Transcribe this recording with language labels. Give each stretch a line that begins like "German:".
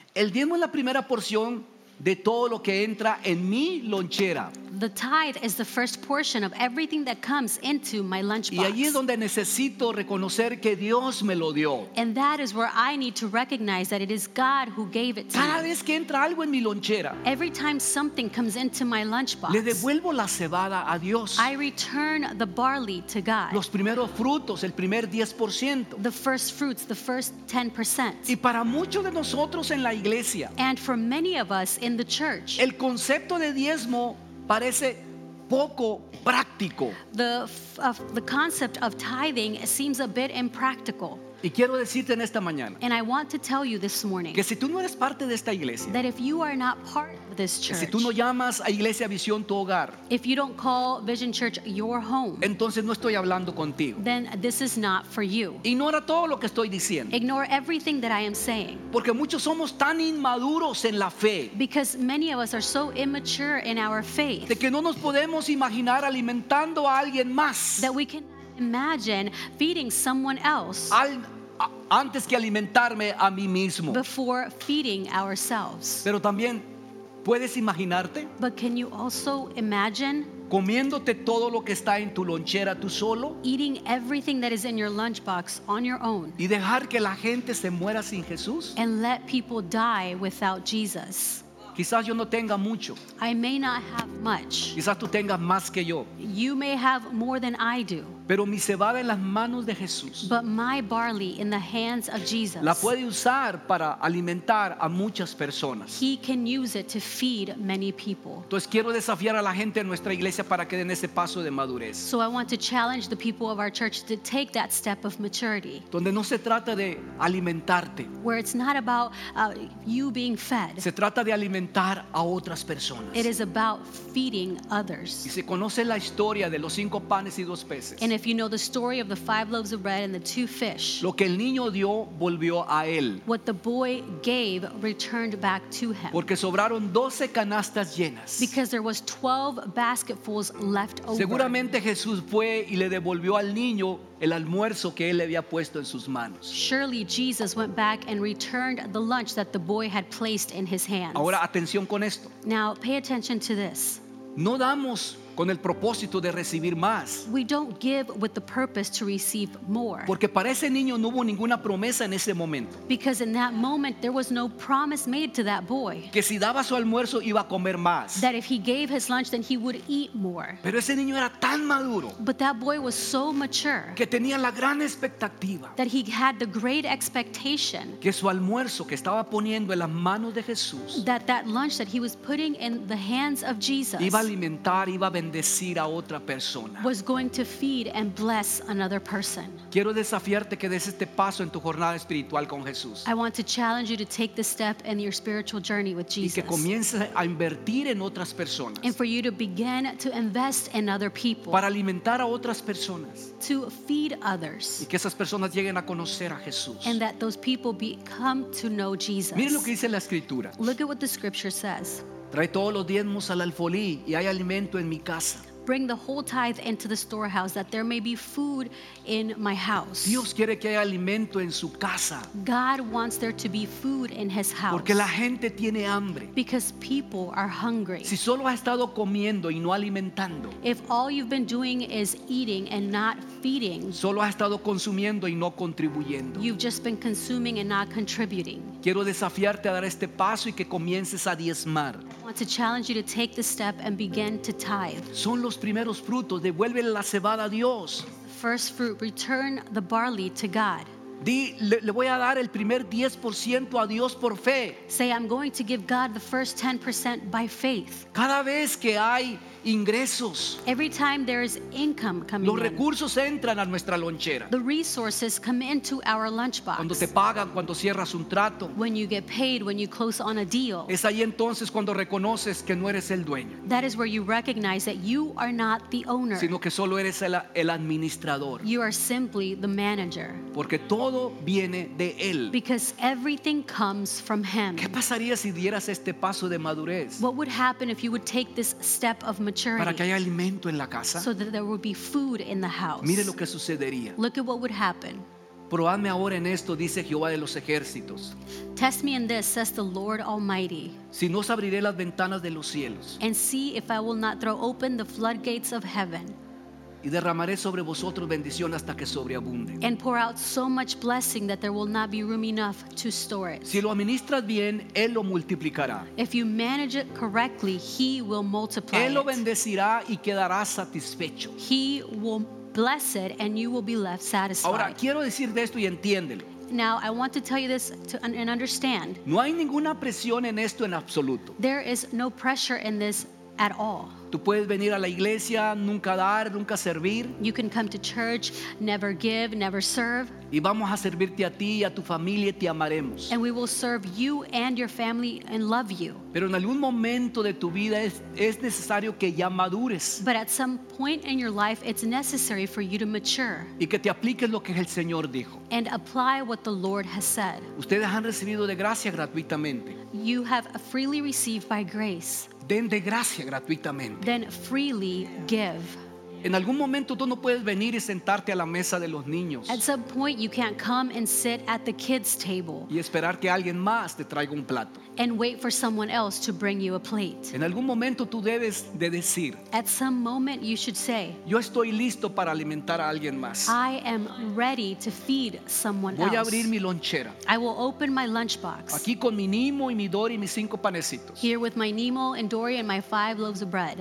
Spanish: El diezmo es la primera porción de todo lo que entra en mi lonchera.
English: The tithe is the first portion of everything that comes into my lunchbox.
Spanish: Y allí es donde necesito reconocer que Dios me lo dio.
English: And that is where I need to recognize that it is God who gave it to
Spanish: cada
English: me.
Spanish: Vez que entra algo en mi lonchera,
English: every time something comes into my lunchbox,
Spanish: le devuelvo la cebada a Dios.
English: I return the barley to God.
Spanish: Los primeros frutos, el primer 10%.
English: The first fruits, the first 10%.
Spanish: Y para muchos de nosotros en la iglesia,
English: and for many of us in the church,
Spanish: el concepto de diezmo parece poco práctico.
English: The concept of tithing seems a bit impractical.
Spanish: Y quiero decirte en esta mañana,
English: and I want to tell you this morning,
Spanish: que si tú no eres parte de esta iglesia,
English: that if you are not part of this church,
Spanish: si tú no llamas a Iglesia Visión tu hogar,
English: if you don't call Vision Church your home,
Spanish: entonces no estoy hablando contigo,
English: then this is not for you.
Spanish: Ignora todo lo que estoy diciendo.
English: Ignore everything that I am saying.
Spanish: Porque muchos somos tan inmaduros en la fe,
English: because many of us are so immature in our faith,
Spanish: de que no nos podemos imaginar alimentando a alguien más,
English: that we can imagine feeding someone else
Spanish: antes que alimentarme a mí mismo.
English: Before feeding ourselves.
Spanish: Pero también puedes imaginarte,
English: but can you also imagine
Spanish: comiéndote todo lo que está en tu lonchera tú solo,
English: eating everything that is in your lunchbox on your own,
Spanish: y dejar que la gente se muera sin Jesús,
English: and let people die without Jesus.
Spanish: quizás yo no tenga mucho.
English: I may not have much.
Spanish: Quizás tú tengas más que yo.
English: You may have more than I do.
Spanish: Pero mi cebada en las manos de Jesús.
English: But my barley in the hands of Jesus.
Spanish: La puede usar para alimentar a muchas personas.
English: He can use it to feed many people.
Spanish: Entonces quiero desafiar a la gente de nuestra iglesia para que den ese paso de madurez.
English: So I want to challenge the people of our church to take that step of maturity.
Spanish: Donde no se trata de alimentarte.
English: Where it's not about you being fed.
Spanish: Se trata de alimentar a otras personas.
English: It is about feeding others.
Spanish: Y se conoce la historia de los cinco panes y dos peces.
English: And if you know the story of the five loaves of bread and the two fish,
Spanish: lo que el niño dio volvió a él.
English: What the boy gave returned back to him.
Spanish: Porque sobraron 12 canastas llenas.
English: Because there was 12 basketfuls left over.
Spanish: Seguramente Jesús fue y le devolvió al niño el almuerzo que él le había puesto en sus manos.
English: Surely Jesus went back and returned the lunch that the boy had placed in his hands.
Spanish: Ahora atención con esto.
English: Now pay attention to this.
Spanish: No damos con el propósito de recibir más.
English: We don't give with the purpose to receive more.
Spanish: Porque para ese niño no hubo ninguna promesa en ese momento.
English: Because in that moment there was no promise made to that boy.
Spanish: Que si daba su almuerzo iba a comer más.
English: That if he gave his lunch then he would eat more.
Spanish: Pero ese niño era tan maduro.
English: But that boy was so mature.
Spanish: Que tenía la gran expectativa.
English: That he had the great expectation.
Spanish: Que su almuerzo que estaba poniendo en las manos de Jesús.
English: That that lunch that he was putting in the hands of Jesus.
Spanish: Iba a alimentar, iba a bendecir a otra persona.
English: Was going to feed and bless another person.
Spanish: Quiero desafiarte que des este paso en tu jornada espiritual con Jesús.
English: I want to challenge you to take this step in your spiritual journey with Jesus.
Spanish: Y que comiences a invertir en otras personas.
English: And for you to begin to invest in other people.
Spanish: Para alimentar a otras personas.
English: To feed others.
Spanish: Y que esas personas lleguen a conocer a Jesús.
English: And that those people come to know Jesus.
Spanish: Miren lo que dice la escritura.
English: Look at what the scripture says.
Spanish: Trae todos los diezmos al alfolí y hay alimento en mi casa.
English: Bring the whole tithe into the storehouse that there may be food in my house.
Spanish: Dios quiere que haya alimento en su casa.
English: God wants there to be food in his house.
Spanish: Porque la gente tiene hambre.
English: Because people are hungry.
Spanish: Si solo has estado comiendo y no alimentando.
English: If all you've been doing is eating and not feeding.
Spanish: Solo has estado consumiendo y no contribuyendo.
English: You've just been consuming and not contributing.
Spanish: Quiero desafiarte a dar este paso y que comiences a diezmar.
English: I want to challenge you to take this step and begin to tithe.
Spanish: Son los primeros frutos, devuélvele la cebada a Dios.
English: First fruit, return the barley to God.
Spanish: Le voy a dar el primer 10% a Dios por fe.
English: Say, I'm going to give God the first 10% by faith.
Spanish: Cada vez que hay ingresos,
English: every time there is income coming in,
Spanish: los recursos entran a nuestra lonchera.
English: The resources come into our lunchbox.
Spanish: Cuando te pagan, cuando cierras un trato.
English: When you get paid, when you close on a deal.
Spanish: Es ahí entonces cuando reconoces que no eres el dueño.
English: That is where you recognize that you are not the owner.
Spanish: Sino que solo eres el administrador.
English: You are simply the manager.
Spanish: Porque todo viene de él.
English: Because everything comes from him.
Spanish: ¿Qué pasaría si dieras este paso de madurez?
English: What would happen if you would take this step of maturity?
Spanish: Para que haya alimento en la casa.
English: So that there would be food in the house.
Spanish: Mire lo que sucedería.
English: Look at what would happen.
Spanish: Probadme ahora en esto, dice Jehová de los ejércitos.
English: Test me in this, says the Lord Almighty.
Spanish: Si no abriré las ventanas de los cielos.
English: And see if I will not throw open the floodgates of heaven.
Spanish: Y derramaré sobre vosotros bendición hasta que sobreabunde.
English: And pour out so much blessing that there will not be room enough to store it.
Spanish: Si lo administras bien, él lo multiplicará.
English: If you manage it correctly, he will multiply it.
Spanish: Él lo bendecirá y quedarás satisfecho.
English: He will bless it and you will be left satisfied.
Spanish: Ahora quiero decir de esto y entiéndelo.
English: Now I want to tell you this to, and understand.
Spanish: No hay ninguna presión en esto en absoluto.
English: There is no pressure in this at all.
Spanish: Tú puedes venir a la iglesia, nunca dar, nunca servir.
English: You can come to church, never give, never serve.
Spanish: Y vamos a servirte a ti y a tu familia y te amaremos.
English: And we will serve you and your family and love you.
Spanish: Pero en algún momento de tu vida es necesario que ya madures.
English: But at some point in your life, it's necessary for you to mature.
Spanish: Y que te apliques lo que el Señor dijo.
English: And apply what the Lord has said.
Spanish: Ustedes han recibido de gracia gratuitamente.
English: You have freely received by grace.
Spanish: Den de gracia gratuitamente.
English: Then freely give.
Spanish: En algún momento tú no puedes venir y sentarte a la mesa de los niños.
English: At some point you can't come and sit at the kids' table.
Spanish: Y esperar que alguien más te traiga un plato.
English: and wait for someone else to bring you a plate.
Spanish: En algún momento tú debes de decir,
English: at some moment you should say,
Spanish: yo estoy listo para alimentar a alguien más.
English: I am ready to feed someone
Spanish: voy
English: else.
Spanish: A abrir mi lonchera.
English: I will open my lunchbox.
Spanish: Aquí con mi Nemo y mi Dory y mis cinco panecitos.
English: Here with my Nemo and Dory and my five loaves of bread.